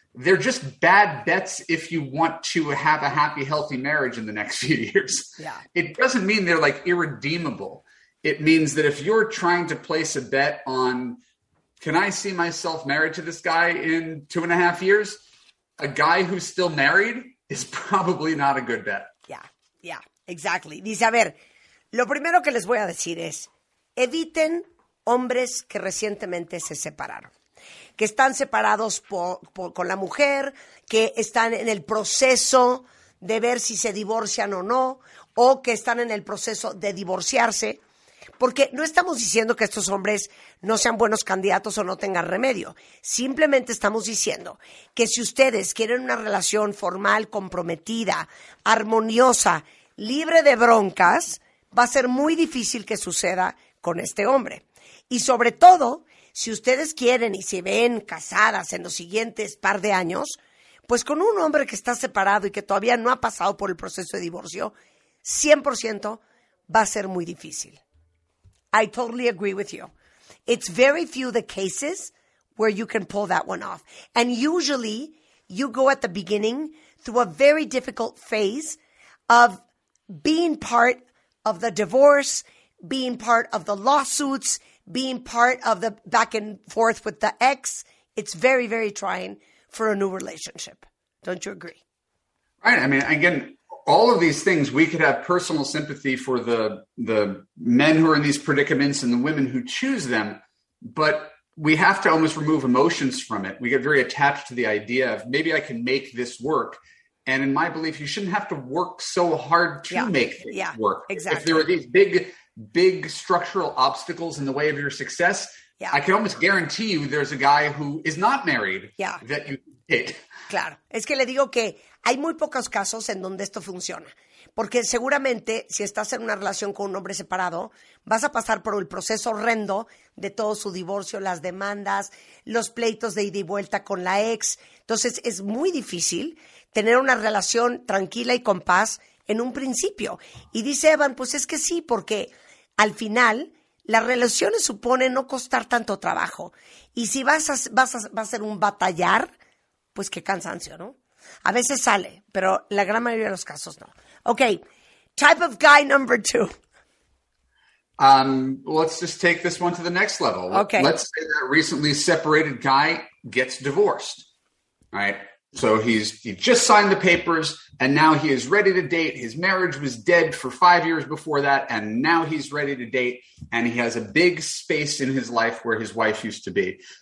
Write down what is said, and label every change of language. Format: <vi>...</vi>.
<en>They're just bad bets if you want to have a happy, healthy marriage in the next few years. Yeah. It doesn't mean they're like irredeemable. It means that if you're trying to place a bet on, can I see myself married to this guy in 2.5 years? A guy who's still married is probably not a good bet. Yeah, yeah, exactly.</en> <es>Dice, a ver, lo primero que les voy a decir es, eviten hombres que recientemente se separaron, que están separados con la mujer, que están en el proceso de ver si se divorcian o no, o que están en el proceso de divorciarse. Porque no estamos diciendo que estos hombres no sean buenos candidatos o no tengan remedio. Simplemente estamos diciendo que si ustedes quieren una relación formal, comprometida, armoniosa, libre de broncas, va a ser muy difícil que suceda con este hombre. Y sobre todo, si ustedes quieren y se ven casadas en los siguientes par de años, pues con un hombre que está separado y que todavía no ha pasado por el proceso de divorcio, 100% va a ser muy difícil.</es> <en>I totally agree with you. It's very few the cases where you can pull that one off. And usually you go at the beginning through a very difficult phase of being part of the divorce, being part of the lawsuits, being part of the back and forth with the ex. It's very, very trying for a new relationship. Don't you agree? Right. I mean, again, all of these things, we could have personal sympathy for the men who are in these predicaments and the women who choose them, but we have to almost remove emotions from it. We get very attached to the idea of maybe I can make this work. And in my belief, you shouldn't have to work so hard to make things work. Exactly. If there are these big, big structural obstacles in the way of your success, I can almost guarantee you there's a guy who is not married that you hit.</en> <es>Claro. Es que le digo que hay muy pocos casos en donde esto funciona. Porque seguramente, si estás en una relación con un hombre separado, vas a pasar por el proceso horrendo de todo su divorcio, las demandas, los pleitos de ida y vuelta con la ex. Entonces, es muy difícil tener una relación tranquila y con paz en un principio. Y dice Evan, pues es que sí, porque al final las relaciones suponen no costar tanto trabajo. Y si vas a ser un batallar, pues qué cansancio, ¿no? A veces sale, pero la gran mayoría de los casos no.</es> <en>Okay, type of guy number two. Let's just take this one to the next level. Okay. Let's say that a recently separated guy gets divorced, right? So he just signed the papers, and now he is ready to date. His marriage was dead for 5 years before that, and now he's ready to date, and he has a big space in his life where his wife used to be.</en>